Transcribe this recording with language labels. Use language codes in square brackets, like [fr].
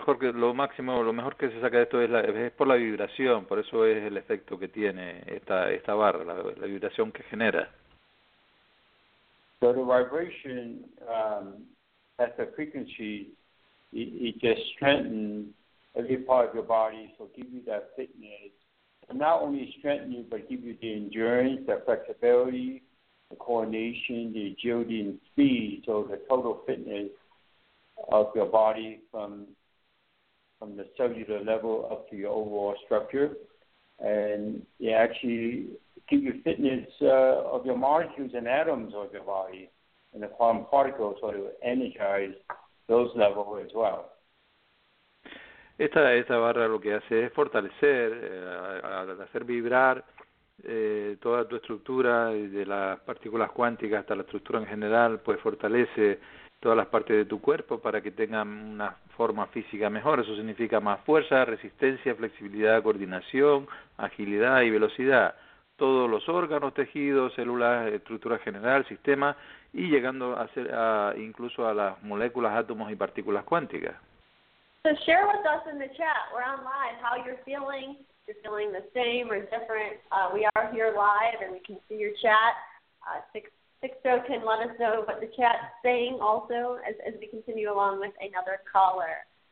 [es] Lo mejor que se saca de esto es por la vibración, por eso es el efecto que tiene esta barra, la vibración que genera. [en] So the vibration at the frequency, it just strengthens every part of your body, so give you that fitness, and not only strengthen you, but give you the endurance, the flexibility, the coordination, the agility and speed, so the total fitness of your body from the cellular level up to your overall structure, and it actually give you fitness of your molecules and atoms of your body, and the quantum particles, so it will energize those levels as well. [es] Esta barra lo que hace es fortalecer, hacer vibrar toda tu estructura, de las partículas cuánticas hasta la estructura en general, pues fortalece todas las partes de tu cuerpo para que tengan una forma física mejor. Eso significa más fuerza, resistencia, flexibilidad, coordinación, agilidad y velocidad. Todos los órganos, tejidos, células, estructura general, sistema, y llegando incluso a las moléculas, átomos y partículas cuánticas. [en] So share with us in the chat, we're on live, how you're feeling. If you're feeling the same or different, we are here live and we can see your chat. 6-0 can let us know what the chat's saying also as we continue along with another caller.